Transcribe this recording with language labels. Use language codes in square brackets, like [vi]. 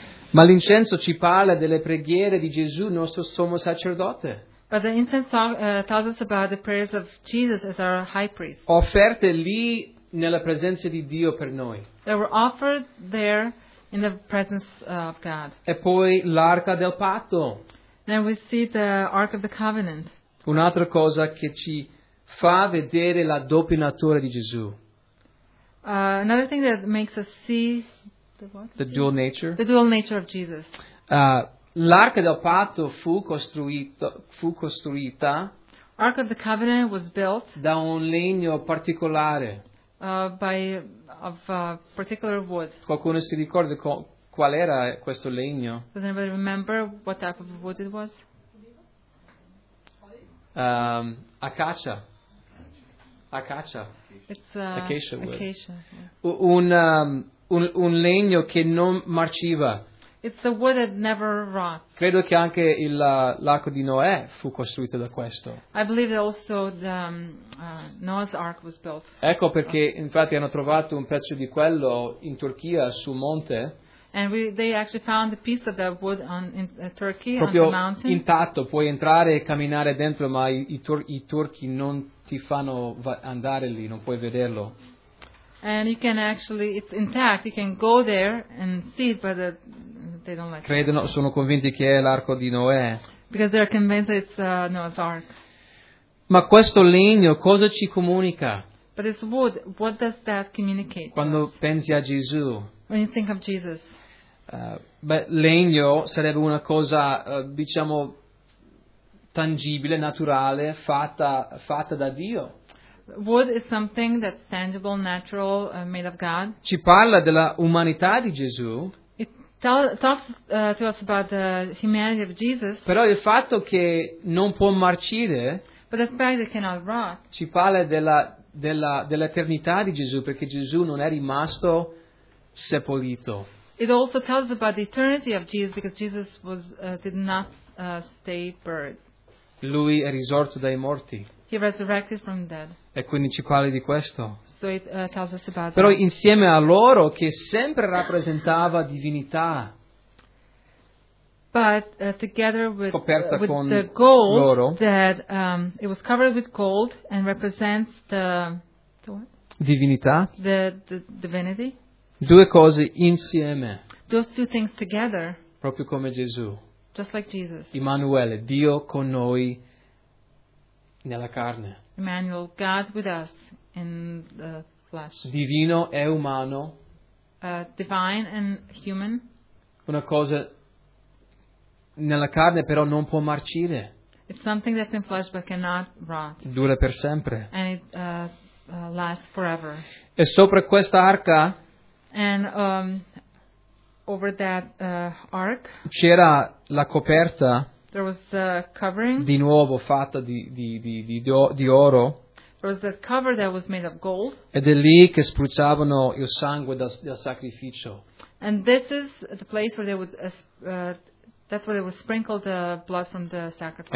[it] Ma l'incenso ci parla delle preghiere di Gesù, nostro sommo sacerdote. [en] But the incense tells us about the prayers of Jesus as our high priest. [it] Offerte lì nella presenza di Dio per noi. [en] They were offered there in the presence of God. [it] E poi l'arca del patto. [en] Then we see the Ark of the Covenant. [it] Un'altra cosa che ci fa vedere la doppia natura di Gesù. [en] Another thing that makes us see the dual nature of Jesus. [it] L'arca del patto fu costruita. [en] Ark of the Covenant was built [it] da un legno particolare. [en] Particular wood. [it] Qualcuno si ricorda qual era questo legno? [en] Does anybody remember what type of wood it was? [it] Acacia. [en] It's acacia wood. Acacia, yeah. [it] Un legno che non marciva. [en] It's the wood that never rots. [it] Credo che anche l'arco di Noè fu costruito da questo. [en] I believe that also the Noah's ark was built. [it] Ecco perché infatti hanno trovato un pezzo di quello in Turchia su monte. [en] And they actually found a piece of that wood in Turkey. [it] Proprio [en] on the mountain. [it] Intatto, puoi entrare e camminare dentro, ma i turchi non ti fanno andare lì, non puoi vederlo. [en] And you can actually, it's intact. You can go there and see it, but the, they don't like. [it] Credono, [en] it. [it] Sono convinti che è l'arco di Noè. [en] Because they're convinced it's Noah's Ark. [it] Ma questo legno cosa ci comunica? [en] But this wood, what does that communicate? [it] Quando pensi a Gesù. [en] When you think of Jesus. [it] Legno sarebbe una cosa, diciamo, tangibile, naturale, fatta da Dio. [en] Wood is something that's tangible, natural, made of God. [it] Ci parla della umanità di Gesù. [en] It talks to us about the humanity of Jesus. [it] Però il fatto che non può marcire. [en] But the fact that it cannot rot. [it] Ci parla dell'eternità di Gesù, perché Gesù non è rimasto sepolito. [en] It also tells about the eternity of Jesus, because Jesus was did not stay buried. [it] Lui è risorto dai morti. [en] He resurrected from the dead. [it] E quindi ci parla di questo. [en] So it tells us about. [it] Però insieme a loro, che sempre rappresentava divinità. [en] But together with, with the gold [it] loro, [en] that it was covered with gold and represents the [it] divinità. [en] The divinity. [it] Due cose insieme. [en] Those two things together. [it] Proprio come Gesù. [en] Just like Jesus. [it] Emanuele, Dio con noi nella carne. [en] Emmanuel, God with us in the flesh. [it] Divino e umano. [en] Divine and human. [it] Una cosa nella carne però non può marcire. [en] It's something that's in flesh but cannot rot. [it] Dura per sempre. [en] And it lasts forever. [it] E sopra questa arca. [en] And over that ark. [it] C'era la coperta. [en] There was the covering. [it] Di nuovo fatta di oro. [en] There was that cover that was made of gold. [it] Ed è lì che spruzzavano il sangue del sacrificio. [en] And this is the place where they would that's where they would sprinkle the blood from the sacrifice.